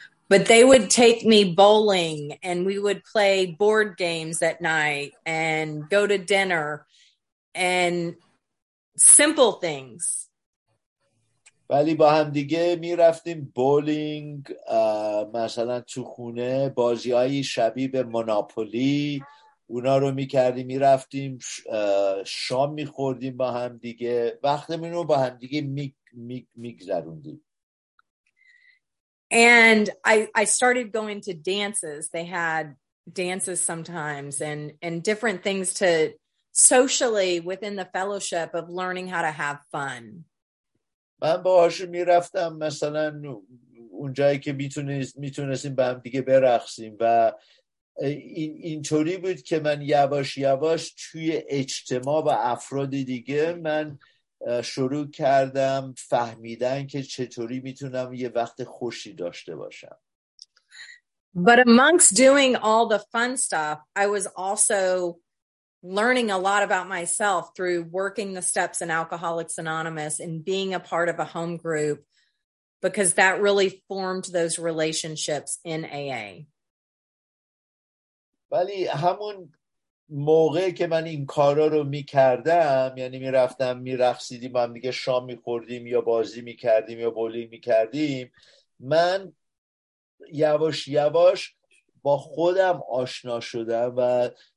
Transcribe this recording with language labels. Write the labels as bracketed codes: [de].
[en] But they would take me bowling and we would play board games at night and go to dinner and simple things. [fa] ولی با هم دیگه می رفتیم بولینگ مثلا تو خونه، بازی های شبیه به موناپولی اونا رو می کردیم، می رفتیم شام می خوردیم با هم دیگه، وقتمون رو با هم دیگه می گذروندیم. [en] And I started going to dances. They had dances sometimes and different things to socially within the fellowship of learning how to have fun. [fa] من باهاشون میرفتم مثلا اونجایی که میتونستیم با هم دیگه برقصیم و اینطوری بود که من یواش یواش توی اجتماع و افراد دیگه من شروع کردم فهمیدن که چطوری میتونم یه وقت خوشی داشته باشم. [en] But amongst doing all the fun stuff, I was also learning a lot about myself through working the steps in Alcoholics Anonymous and being a part of a home group, because that really formed those relationships in AA. [fa] ولی همون موقع که من این کارا رو می کردم، یعنی می رفتم می رقصیدیم با هم دیگه، شام می خوردیم یا بازی می کردیم یا بولینگ می کردیم، من یواش یواش با خودم آشنا شدم و